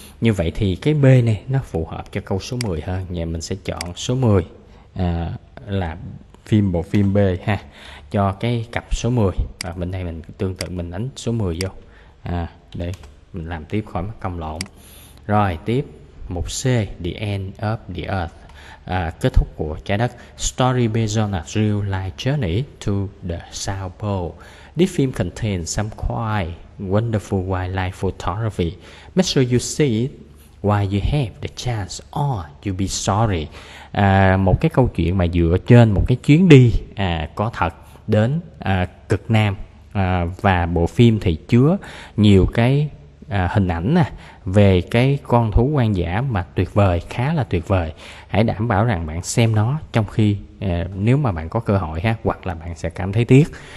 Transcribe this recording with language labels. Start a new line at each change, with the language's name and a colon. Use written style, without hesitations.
Vietnamese: Như vậy thì cái B này nó phù hợp cho câu số 10 hơn, nhà mình sẽ chọn số 10 là phim bộ phim B ha, cho cái cặp số 10. Và bên đây mình tương tự mình đánh số 10 vô để mình làm tiếp khỏi mất công lộn. Rồi tiếp mục C, The End of the Earth, kết thúc của trái đất.
English: Story based on a real life journey to the South Pole. This film contains some quite wonderful wildlife photography. Make sure you see it Why you have the chance or you be sorry.
Vietnamese: Một cái câu chuyện mà dựa trên một cái chuyến đi có thật đến cực Nam. Và bộ phim thì chứa nhiều cái hình ảnh về cái con thú hoang dã mà tuyệt vời, khá là tuyệt vời. Hãy đảm bảo rằng bạn xem nó trong khi nếu mà bạn có cơ hội ha, hoặc là bạn sẽ cảm thấy tiếc.